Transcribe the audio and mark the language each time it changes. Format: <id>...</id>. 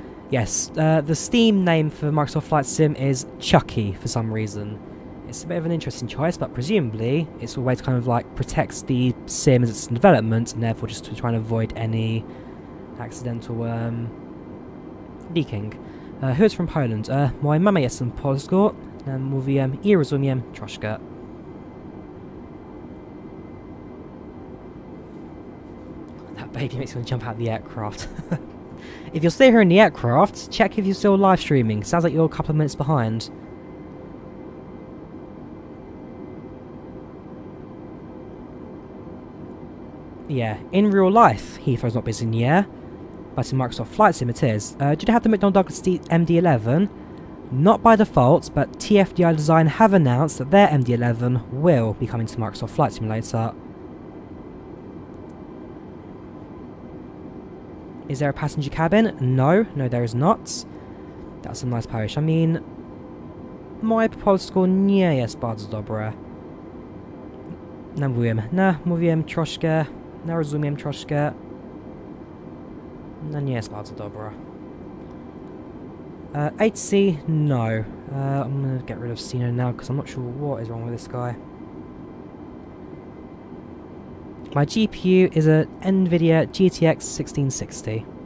<en>Yes, the Steam name for Microsoft Flight Sim is Chucky for some reason. It's a bit of an interesting choice, but presumably it's a way to kind of like protect the sim as it's in development and therefore just to try and avoid any accidental leaking. Who is from Poland?</en> <pl>My mama jest z Polski, and mówię I rozumiem troszkę.</pl> <en>That baby makes me want to jump out of the aircraft. If you're still here in the aircraft, check if you're still live streaming. Sounds like you're a couple of minutes behind. Yeah, in real life, Heathrow's not busy in the air, but in Microsoft Flight Sim it is. Do you have the McDonnell Douglas MD-11? Not by default, but TFDI Design have announced that their MD-11 will be coming to Microsoft Flight Simulator. Is there a passenger cabin? No, there is not. That's a nice parish. I mean,</en> <pl>my polsko nie jest bardzo dobre. Mówiłem troszkę. Nie rozumiem troszkę. No nie jest bardzo dobre.</pl> <en>HC, no. I'm gonna get rid of Sino now because I'm not sure what is wrong with this guy. My GPU is an NVIDIA GTX 1660.</en>